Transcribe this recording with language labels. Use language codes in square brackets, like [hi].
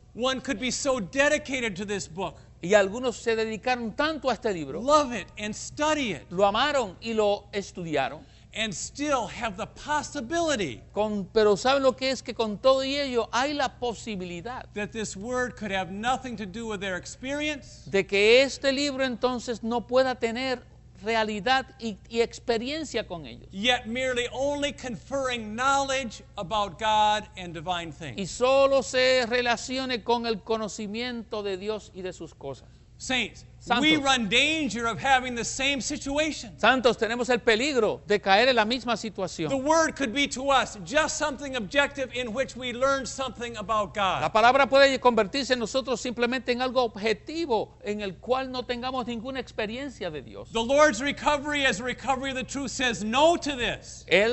[en] One could be so dedicated to this book. [es] Y algunos se dedicaron tanto a este libro. [en] Love it and study it. [es] Lo amaron y lo estudiaron. [en] And still have the possibility. [es] Pero saben lo que es que con todo y ello hay la posibilidad. [en] That this word could have nothing to do with their experience. [es] De que este libro entonces no pueda tener realidad y experiencia con ellos. [en] Yet merely only conferring knowledge about God and divine things. [es] Y solo se relacione con el conocimiento de Dios y de sus cosas. [en] Saints, Santos, we run danger of having the same situation. [es] Santos, tenemos el peligro de caer en la misma situación. [en] The word could be to us just something objective in which we learn something about God. [es] La palabra puede convertirse en nosotros simplemente en algo objetivo en el cual no tengamos ninguna experiencia de Dios. [en] The Lord's recovery as recovery of the truth says no to this.